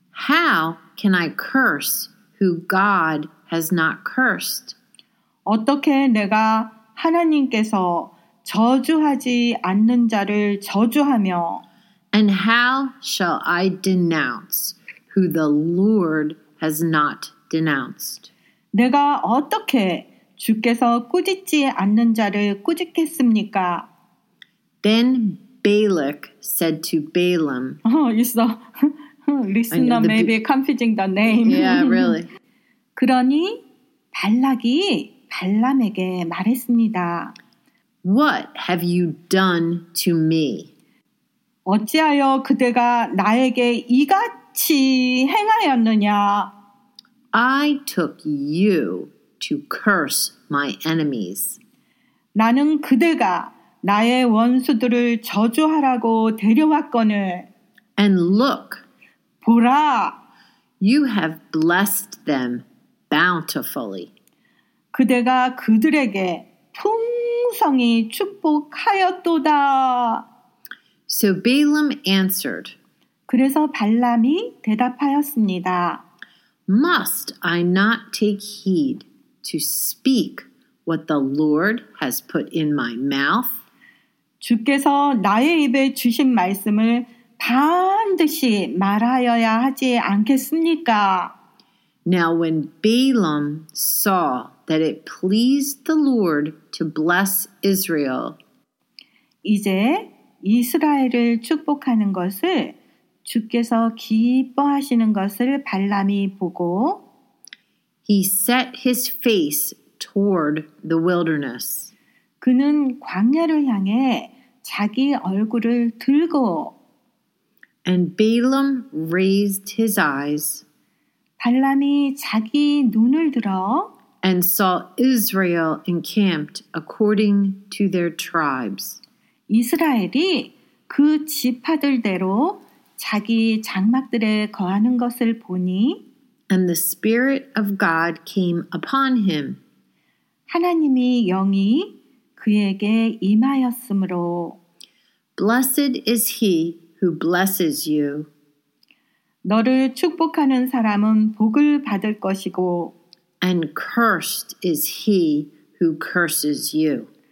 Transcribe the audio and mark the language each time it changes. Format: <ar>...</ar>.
<en>How can I curse who God has not cursed?</en> <ko>어떻게 내가 하나님께서 저주하지 않는 자를 저주하며</ko> <en>And how shall I denounce who the Lord has not denounced?</en> <ko>내가 어떻게 주께서 꾸짖지 않는 자를 꾸짖겠습니까?</ko> <en>Then Balak said to Balaam. Oh, it's the listener may be confusing the name. Yeah, really.</en> <ko>그러니 발락이 발람에게 말했습니다.</ko> <en>What have you done to me?</en> <ko>어찌하여 그대가 나에게 이같이 행하였느냐?</ko> <en>I took you to curse my enemies.</en> <ko>나는 그대가 나의 원수들을 저주하라고 데려왔거늘.</ko> <en>And look.</en> <ko>보라.</ko> <en>You have blessed them bountifully.</en> <ko>그대가 그들에게 풍성히 축복하였도다.</ko> <en>So Balaam answered.</en> <ko>그래서 발람이 대답하였습니다.</ko> <en>Must I not take heed to speak what the Lord has put in my mouth?</en> <ko>주께서 나의 입에 주신 말씀을 반드시 말하여야 하지 않겠습니까?</ko> <en>Now when Balaam saw that it pleased the Lord to bless Israel,</en> <ko>이제 이스라엘을 축복하는 것을 주께서 기뻐하시는 것을 발람이 보고</ko> <en>He set his face toward the wilderness.</en> <ko>그는 광야를 향해 자기 얼굴을 들고</ko> <en>And Balaam raised his eyes.</en> <ko>발람이 자기 눈을 들어</ko> <en>And saw Israel encamped according to their tribes.</en> <ko>이스라엘이 그 지파들대로 자기 장막들에 거하는 것을 보니</ko> <en>And the Spirit of God came upon him.</en> <ko>하나님의 영이 그에게 임하였으므로</ko> <en>Blessed is he who blesses you.</en> <ko>너를 축복하는 사람은 복을 받을 것이고</ko> <en>And cursed is he who curses you.</en>